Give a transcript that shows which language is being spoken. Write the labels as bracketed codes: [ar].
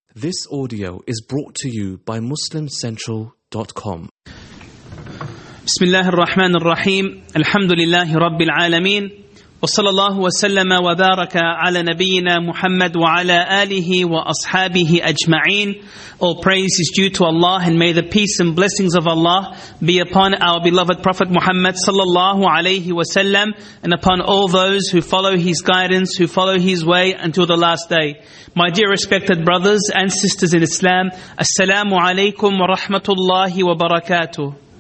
[en] This audio is brought to you by MuslimCentral.com. [ar] بسم الله الرحمن الرحيم الحمد لله رب العالمين وصلى الله وسلم وبارك على نبينا محمد وعلى آله وأصحابه أجمعين. [en] All praise is due to Allah and may the peace and blessings of Allah be upon our beloved Prophet Muhammad صلى الله عليه وسلم and upon all those who follow his guidance, who follow his way until the last day. My dear respected brothers and sisters in Islam, Assalamu alaikum wa rahmatullahi wa barakatuh.